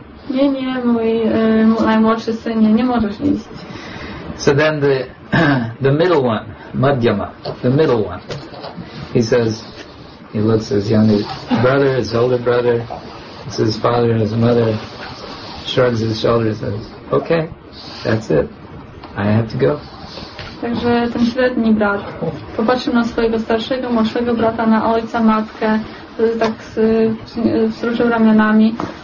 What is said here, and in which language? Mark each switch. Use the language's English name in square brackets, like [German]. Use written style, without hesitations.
[Polish] Nie, mój najmłodszy synie, nie możesz iść. [English] So then the middle one, Madhyama, the middle one, he says, he looks at his younger brother, his older brother, it's his father and his mother, shrugs his shoulders and says, okay, that's it, I have to go. [Polish] Także ten średni brat popatrzył na swojego starszego, młodszego brata, na ojca, matkę, tak wzruszył ramionami.